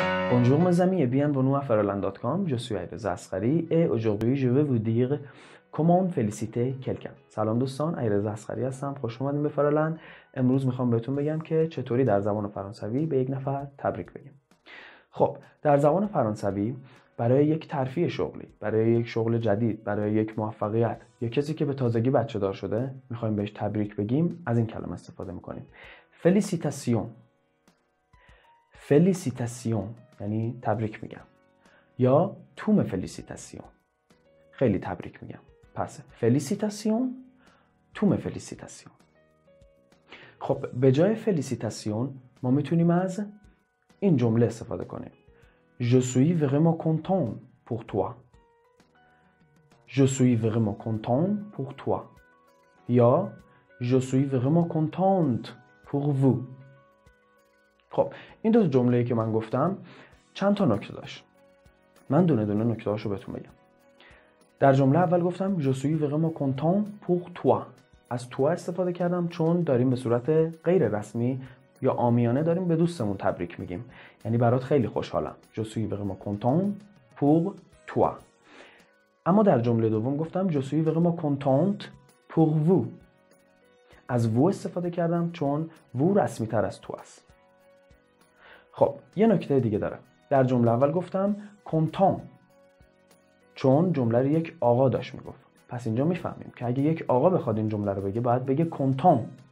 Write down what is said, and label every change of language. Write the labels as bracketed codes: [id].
[fr] Bonjour mes amis et bienvenue à Ferland.com. Je suis Aïda Zaskari et aujourd'hui je vais vous dire comment féliciter quelqu'un. [fa] Salam دوستان, Aïda Zaskari هستم. خوش اومدین به فرلند. امروز میخوام بهتون بگم که چطوری در زبان فرانسوی به یک نفر تبریک بگیم. خب, در زبان فرانسوی برای یک ترفیع شغلی, برای یک شغل جدید, برای یک موفقیت یا کسی که به تازگی بچه دار شده میخوایم بهش تبریک بگیم, از این کلمه استفاده میکنیم. فلیسیتاسیون. فلیسیتاسیون یعنی تبریک میگم, یا توم فلیسیتاسیون, خیلی تبریک میگم. پس فلیسیتاسیون, توم فلیسیتاسیون. خب, به جای فلیسیتاسیون ما میتونیم از این جمله استفاده کنیم. [fr] Je suis vraiment content pour toi. Je suis vraiment content pour toi. یا Je suis vraiment content pour vous. [fa] خب, این دو جمله که من گفتم چند تا نکته داشت. من دونه دونه نکته هاشو بهتون بگم. در جمله اول گفتم [fr] Je suis vraiment content pour toi. [fa] از تو استفاده کردم چون داریم به صورت غیر رسمی یا عامیانه داریم به دوستمون تبریک میگیم. یعنی برات خیلی خوشحالم. [fr] Je suis vraiment content pour toi. [fa] اما در جمله دوم گفتم [fr] Je suis vraiment content pour vous. [fa] از vous استفاده کردم چون vous رسمی تر از تو است. خب, یه نکته دیگه داره. در جمله اول گفتم content چون جمله رو یک آقا داشت میگفت. پس اینجا میفهمیم که اگه یک آقا بخواد این جمله رو بگه باید بگه content.